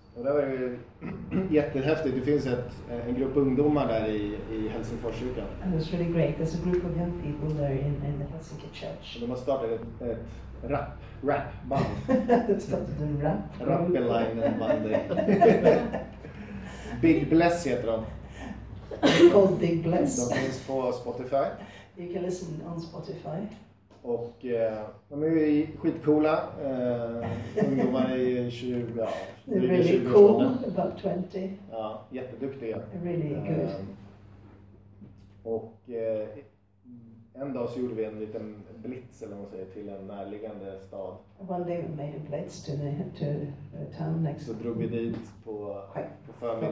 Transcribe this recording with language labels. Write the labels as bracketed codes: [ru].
[sv] Och där var det jättehäftigt. Det finns en grupp ungdomar där i Helsingforskyrkan. [en] And it was really great. There's a group of young people there in the Helsinki church. [sv] Och de har startat ett rap band. [en] They started a rap. [sv] Rappelainen band. Big Bless heter de. [en] It's called Big Bless. [sv] De finns på Spotify. [en] You can listen on Spotify. [sv] Och de är ju skitcoola. Ungdomar är 20, ja. [en] They're really cool, about 20. [sv] Ja, jätteduktiga. [en] Really good. [sv] Och en dag så gjorde vi en liten blitz, eller vad man säger, till en närliggande stad. [en] One day we made a blitz to the town next. [sv] Så drog vi dit på förmiddagen.